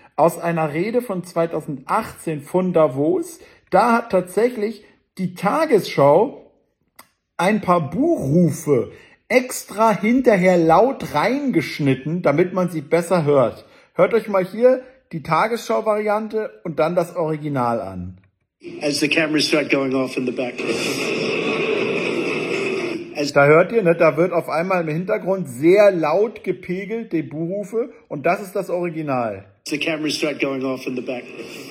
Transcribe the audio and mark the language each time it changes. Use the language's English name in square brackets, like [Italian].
[German] Aus einer Rede von 2018 von Davos. Da hat tatsächlich die Tagesschau ein paar Buhrufe extra hinterher laut reingeschnitten, damit man sie besser hört. Hört euch mal hier die Tagesschau-Variante und dann das Original an. [English] As the cameras start going off in the background. [German] Da hört ihr, ne, da wird auf einmal im Hintergrund sehr laut gepegelt, die Buhrufe, und das ist das Original. [English] As the cameras start going off in the background.